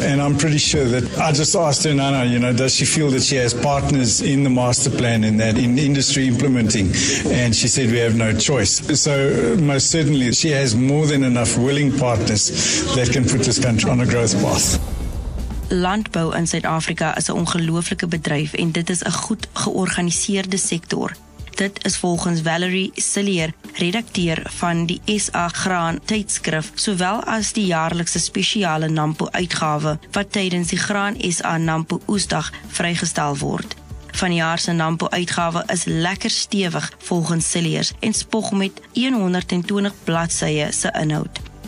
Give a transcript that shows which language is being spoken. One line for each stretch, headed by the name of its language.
English: And I'm pretty sure that I just asked her, Nana, you know, does she feel that she has partners in the master plan in that, in industry implementing? And she said, we have no choice. So most certainly she has more than enough willing partners that can put this country on a growth path.
Afrikaans: Landbou in Suid-Afrika is 'n ongelooflike bedryf en dit is 'n goed georganiseerde sektor. Dit is volgens Valerie Sillier, redakteur van die SA Graan tydskrif, sowel as die jaarlikse spesiale Nampo uitgawe wat tydens die Graan SA Nampo Oesdag vrygestel word. Vanjaar se Nampo uitgawe is lekker stewig volgens Sillier en spog met 120 bladsye se inhoud.